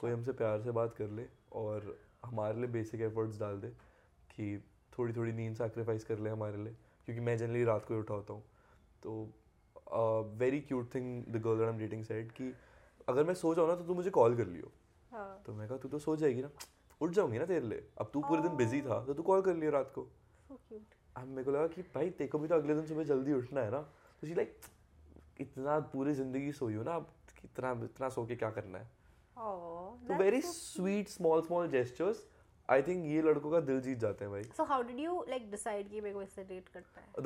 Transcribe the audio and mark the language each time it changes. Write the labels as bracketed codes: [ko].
[hi] कोई हमसे प्यार से बात कर ले और हमारे लिए बेसिक एफर्ट्स डाल दे कि थोड़ी थोड़ी नींद सैक्रिफाइस कर ले हमारे लिए. क्योंकि मैं जनरली रात को ही उठा होता हूँ. तो [en] very cute thing the girl I am dating said [hi] कि अगर मैं सो जाऊँ ना तो तू मुझे कॉल कर लियो. हाँ. तो मैं कहा तू तो सो जाएगी ना. उठ जाऊँगी ना तेरे लिए. अब तू पूरे दिन बिजी था तो तू कॉल कर लियो रात को. अब मेरे को लगा कि भाई तेको भी तो अगले दिन सुबह जल्दी उठना है ना. तो [en] she like [hi] इतना पूरी जिंदगी सोई हो ना अब कितना इतना सो के क्या करना है. तो [en] Very sweet small small gestures. I think [hi] ये लड़कों का दिल जीत जाते हैं भाई. [en] so how did you like decide [hi] कि मेरे को इससे [en] date [hi] करना है.